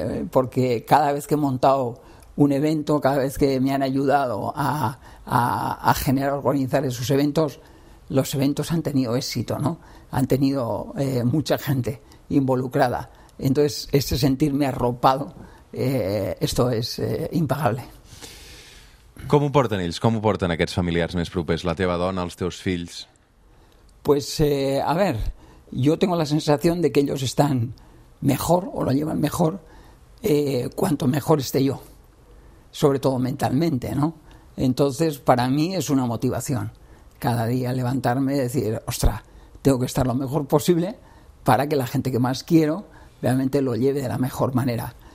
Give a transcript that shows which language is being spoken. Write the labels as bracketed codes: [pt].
[es] Porque cada vez que he montado un evento, cada vez que me han ayudado a generar, organizar esos eventos, los eventos han tenido éxito, ¿no? Han tenido mucha gente involucrada. Entonces, ese sentirme arropado, esto es impagable. [ca] Com ho porten ells? Com ho porten aquests familiars més propers? La teva dona, els teus fills? [es] Pues, a ver, yo tengo la sensación de que ellos están mejor, o lo llevan mejor, cuanto mejor esté yo. Sobre todo mentalmente, ¿no? Entonces, para mí es una motivación. Cada día levantarme y decir, ostras, tengo que estar lo mejor posible para que la gente que más quiero realmente lo lleve de la mejor manera.